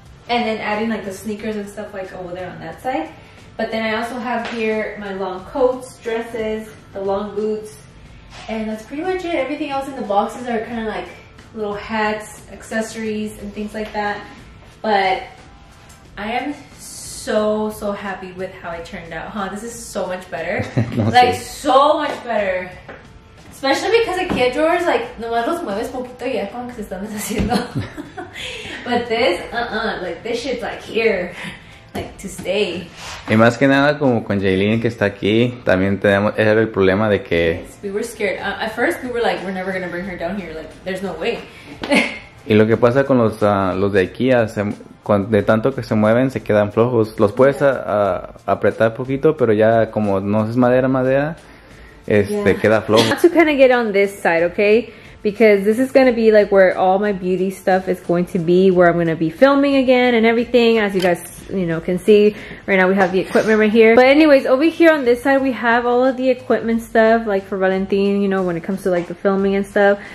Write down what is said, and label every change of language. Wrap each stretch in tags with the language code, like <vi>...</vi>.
<en>And then adding like the sneakers and stuff like over there on that side. But then I also have here my long coats, dresses, the long boots. And that's pretty much it. Everything else in the boxes are kind of like little hats, accessories, and things like that. But I am so happy with how it turned out, huh? This is so much better. Like, so much better. Especially because the kid drawers, like,</en> <es>nomás los mueves poquito y ya con que se están deshaciendo.</es> <en>But this, like, this shit's like here. Like to stay.</en> <es>Y más que nada como con Jaylene que está aquí, también tenemos era el problema de que</es> <en>we were scared. At first we were like we're never gonna bring her down here, like there's no way.</en> <es>Y lo que pasa con los de aquí, de tanto que se mueven se quedan flojos. Los puedes apretar poquito, pero ya como no es madera, queda flojo.</es> <en>To kind of get on this side, okay? Because this is going to be like where all my beauty stuff is going to be, where I'm going to be filming again and everything. As you guys, you know, can see right now we have the equipment right here. But anyways, over here on this side, we have all of the equipment stuff like for Valentin, you know, when it comes to like the filming and stuff.</en>